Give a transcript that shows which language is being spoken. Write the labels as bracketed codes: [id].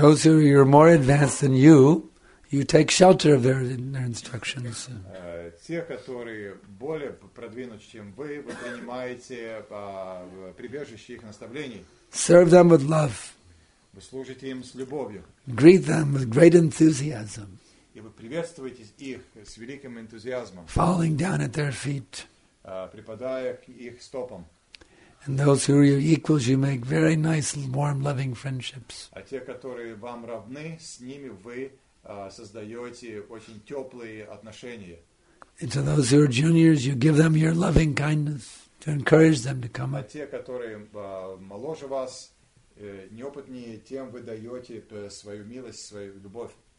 [en] Those who are more advanced than you, you take shelter of their instructions. [ru] Те, которые более продвинуты, чем вы принимаете прибежище их наставлений. [en] Serve them with love. [ru] Вы служите им с любовью. [en] Greet them with great enthusiasm. [ru] И вы приветствуете их с великим энтузиазмом. [en] Falling down at their feet. [ru] Припадая к их стопам. [en] And those who are your equals, you make very nice, warm, loving friendships. [ru] А те, которые вам равны, с ними вы создаете очень теплые отношения. [en] And to those who are juniors, you give them your loving kindness to encourage them to come. [ru] А те, которые моложе вас, неопытнее, тем вы даете свою милость, свою любовь.